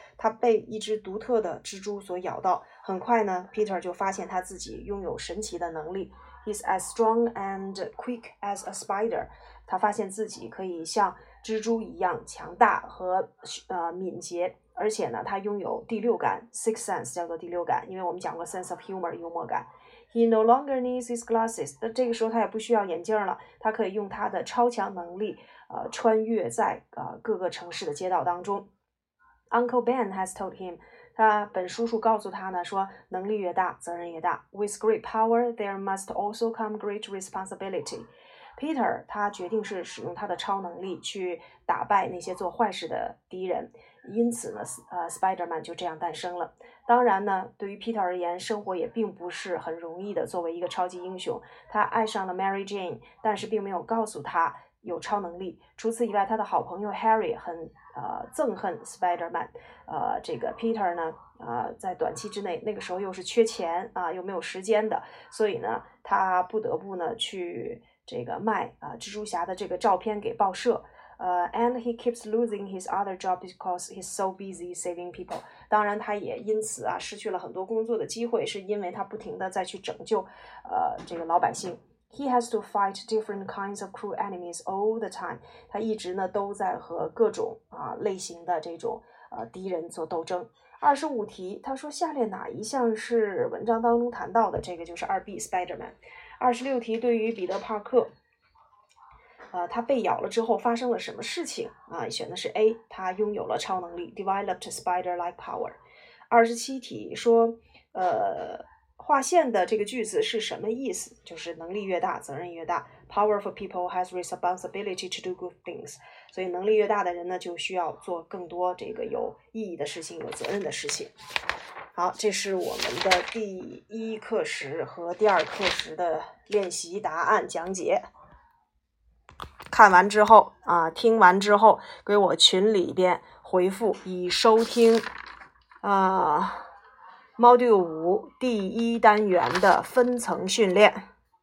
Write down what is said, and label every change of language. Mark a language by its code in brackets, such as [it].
[zh] 他被一只独特的蜘蛛所咬到。很快呢 ，Peter 就发现他自己拥有神奇的能力。 [en] He's as strong and quick as a spider. [zh] 他发现自己可以像蜘蛛一样强大和敏捷，而且呢，他拥有第六感 ， [en] sixth sense [zh] 叫做第六感。因为我们讲过 [en] sense of humor [zh] 幽默感。 [en] He no longer needs his glasses. [zh] 那这个时候他也不需要眼镜了，他可以用他的超强能力穿越在各个城市的街道当中。 [en] Uncle Ben has told him. [zh] 他本叔叔告诉他呢，说能力越大，责任越大。 [en] With great power, there must also come great responsibility. [zh] Peter 他决定是使用他的超能力去打败那些做坏事的敌人，因此呢，Spider-Man 就这样诞生了。当然呢，对于 Peter 而言，生活也并不是很容易的。作为一个超级英雄，他爱上了 Mary Jane， 但是并没有告诉他有超能力。除此以外，他的好朋友 Harry 很憎恨 Spider-Man， 这个 Peter 呢，在短期之内，那个时候又是缺钱啊，又没有时间的，所以呢，他不得不呢去这个卖蜘蛛侠的这个照片给报社。 [en] And he keeps losing his other job because he's so busy saving people. [zh] 当然，他也因此啊失去了很多工作的机会，是因为他不停的再去拯救这个老百姓。 [en] He has to fight different kinds of cruel enemies all the time. [zh] 他一直呢都在和各种类型的这种敌人做斗争。 25题，他说下列哪一项是文章当中谈到的？这个就是2B Spider-Man。 26题，对于彼得·帕克，他被咬了之后发生了什么事情？选的是 A， 他拥有了超能力 ， [en] developed spider-like power。 [zh] 27题说，划线的这个句子是什么意思？就是能力越大，责任越大。 [en] Powerful people has responsibility to do good things. [zh] 所以能力越大的人呢，就需要做更多这个有意义的事情，有责任的事情。好，这是我们的第一课时和第二课时的练习答案讲解。看完之后啊，听完之后，给我群里边回复已收听啊 ，Module 5第一单元的分层训练。